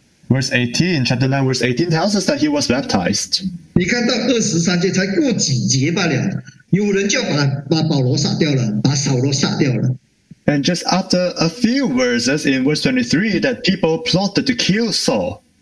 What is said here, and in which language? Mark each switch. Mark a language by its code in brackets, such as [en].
[en] Verse 18, chapter 9, verse 18 tells us that he was baptized. [zh] 你看到23节才过几节罢了，有人就把保罗杀掉了，把扫罗杀掉了。 [en] And just after a few verses in verse 23, that people plotted to kill Saul.